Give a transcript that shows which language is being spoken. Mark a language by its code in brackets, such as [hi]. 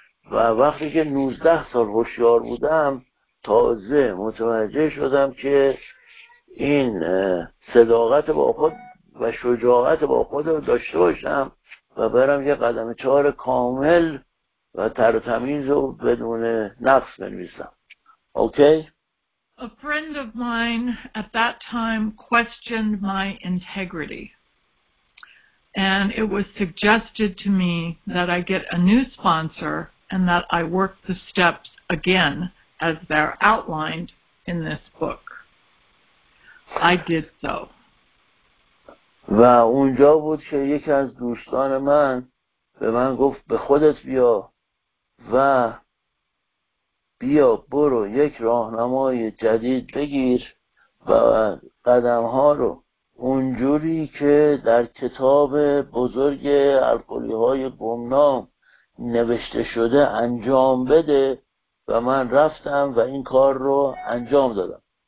[fa] و وقتی که 19 سال هوشیار بودم تازه متوجه شدم که این صداقت با خود و شجاعت با خود رو داشته باشم و برم یه قدم چهار کامل و تر و تمیز و بدون نقص بنویسم. [en] Okay? A friend of mine at that time questioned my integrity, and it was suggested to me that I get a new sponsor and that I work the steps again as they're outlined in this book. I did so. [fa] و اونجا بود که یکی از دوستان من به من گفت به خودت بیا و بیا برو یک راهنمای جدید بگیر و قدم ها رو اونجوری که در کتاب بزرگ الکلی های گمنام نوشته شده انجام بده و من رفتم و این کار رو انجام دادم.